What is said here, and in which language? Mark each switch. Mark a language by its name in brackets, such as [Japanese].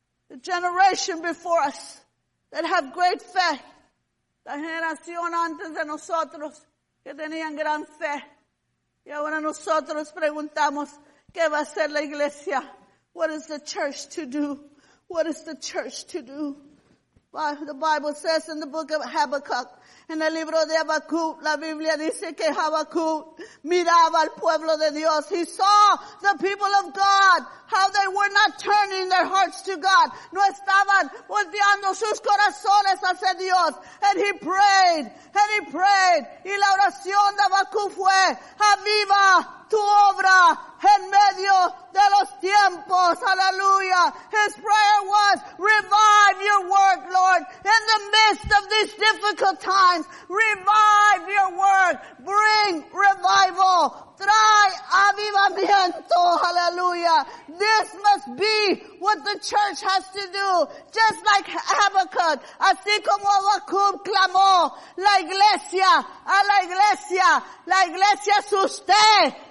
[English] The generation before us that have great faith. [Spanish] La generación antes de nosotros que tenían gran fe. Y ahora nosotros preguntamos, ¿qué va a hacer la iglesia? [English] What is the church to do? What is the church to do? The Bible says in the book of Habakkuk, [Spanish] en el libro de Habacuc, la Biblia dice que Habacuc miraba al pueblo de Dios. [English] He saw the people of God, how they were not turning their hearts to God. [Spanish] No estaban volteando sus corazones hacia Dios. [English] And he prayed, and he prayed. [Spanish] Y la oración de Habacuc fue, aviva tu obra en medio de los tiempos. Aleluya. [English] His prayer was, revive your work, Lord, in the midst of these difficult times. Revive your work. Bring revival. [Spanish] Trae avivamiento. Aleluya. [English] This must be what the church has to do. Just like Habakkuk, [Spanish] así como Habacuc clamó, la iglesia, a la iglesia es usted.